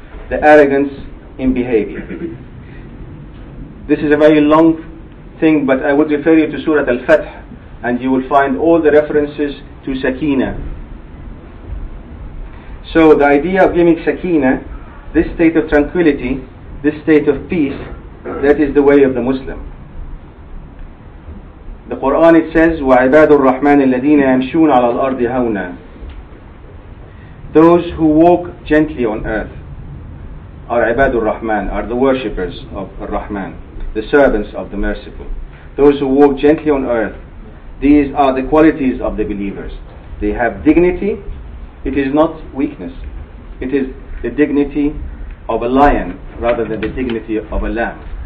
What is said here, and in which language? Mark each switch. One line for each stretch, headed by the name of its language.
English: the arrogance in behavior. This is a very long thing, but I would refer you to Surah Al-Fath, and you will find all the references to Sakina. So the idea of giving Sakina, this state of tranquility, this state of peace, that is the way of the Muslim. The Quran, it says,
Arabic: وَعِبَادُ الرَّحْمَنِ الَّذِينَ يَمْشُونَ عَلَى الْأَرْضِ هَوْنًا.
English: Those who walk gently on earth are Ibadur Rahman, are the worshippers of Rahman, the servants of the merciful. Those who walk gently on earth, these are the qualities of the believers. They have dignity. It is not weakness. It is the dignity of a lion rather than the dignity of a lamb.